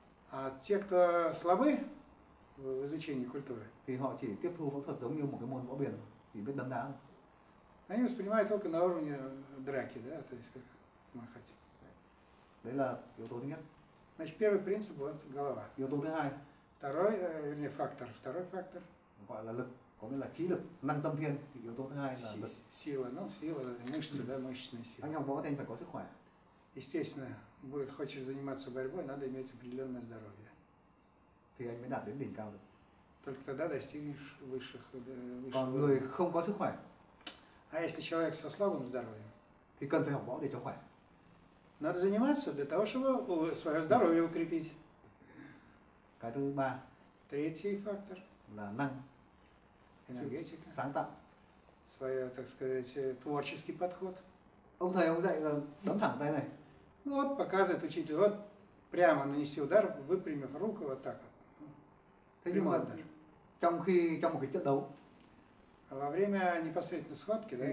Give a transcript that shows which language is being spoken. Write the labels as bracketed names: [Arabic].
[Russian] А те, кто слабы в изучении культуры. [Vietnamese] Thì họ chỉ tiếp thu võ thuật giống như một cái môn võ biển, chỉ biết đấm đá. [Russian] Они воспринимают только на уровне драки, да, то есть как махать. [Vietnamese] Đấy là yếu tố thứ nhất. [Russian] Значит, первый принцип вот голова. [Vietnamese] Yếu tố thứ hai. [Russian] Второй, вернее, фактор. Второй фактор. [Vietnamese] Gọi là lực, có nghĩa là trí lực, năng tâm thiên. Thì yếu tố thứ hai là lực. [Russian] Сила, ну, сила, мышцы, да, мышечная сила. [Vietnamese] Anh học võ thì anh phải có sức khỏe. [Russian] Естественно, хочешь заниматься борьбой, надо иметь определенное здоровье. [Vietnamese] Thì anh mới đạt đến đỉnh cao được. [Russian] Только тогда достигнешь высших уровней. Khỏe, а если человек со слабым здоровьем? [Vietnamese] Thì cần phải học võ để cho khỏe. [Russian] Надо заниматься для того, чтобы свое здоровье укрепить. [Vietnamese] Cái thứ ba. [Russian] Третий фактор. [Vietnamese] Là năng. [Russian] Энергетика. [Vietnamese] Sáng tạo. [Russian] Свой, так сказать, творческий подход. [Vietnamese] Ông thầy, ông dạy là đấm thẳng tay này. [Russian] Ну вот показывает учитель, вот прямо нанести удар, выпрямив руку вот так вот. [Vietnamese] Thế нhưng mà trong khi trong một cái trận đấu. [Russian] Во время непосредственной схватки, да?